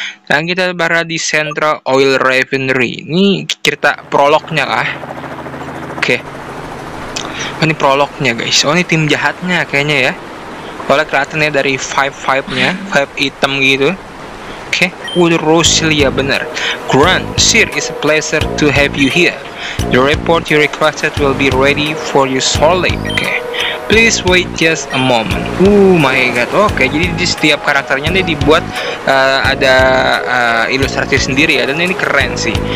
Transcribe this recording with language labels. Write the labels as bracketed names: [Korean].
[Indonesian] Dan kita berada di Central Oil Refinery. Ini cerita prolognya kah? Oke. Ini prolognya guys. Oh, ini tim jahatnya kayaknya ya. Oleh kelihatannya dari five-five-nya, five item gitu. Oke, udah Roselia bener. [English] Grant, sir, it's a pleasure to have you here. The report you requested will be ready for you shortly. Oke. Please wait just a moment. My god. [Indonesian] Oke, jadi di setiap karakternya ini dibuat ada ilustrasi sendiri ya, dan ini keren sih.